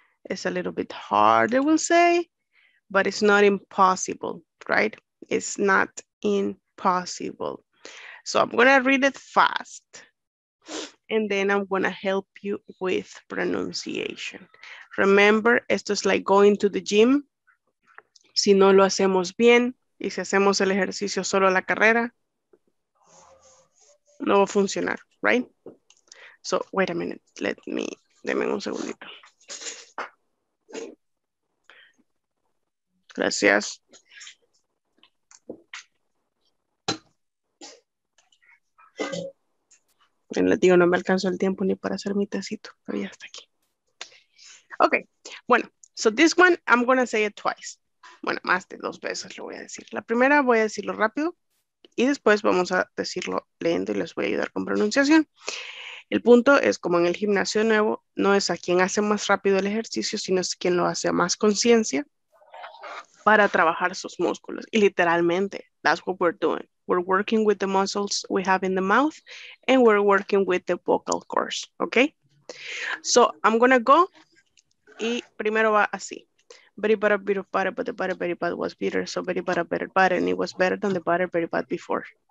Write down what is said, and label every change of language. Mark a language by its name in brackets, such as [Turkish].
[English] It's a little bit harder, we'll say, but it's not impossible, right? It's not impossible. So I'm gonna read it fast and then I'm gonna help you with pronunciation. Remember, [Spanish] esto es [English] like going to the gym. [Spanish] Si no lo hacemos bien y si hacemos el ejercicio solo a la carrera, no va a funcionar. [English] Right? So, wait a minute. Let me, [Spanish] deme un segundito. Gracias. Bien, les digo, no me alcanzó el tiempo ni para hacer mi tecito, pero ya está aquí. [English] Okay. [Spanish] Bueno, [English] so this one, I'm going to say it twice. [Spanish] Bueno, más de dos veces lo voy a decir. La primera voy a decirlo rápido. Y después vamos a decirlo lento y les voy a ayudar con pronunciación. El punto es, como en el gimnasio nuevo, no es a quien hace más rápido el ejercicio, sino es a quien lo hace a más conciencia para trabajar sus músculos. Y literalmente, [English] that's what we're doing. We're working with the muscles we have in the mouth and we're working with the vocal cords, okay? So I'm gonna go. [Spanish] Y primero va así. [English] Very butter, bitter butter, but the butter very bad was bitter, so very butter, better butter, and it was better than the butter very bad before.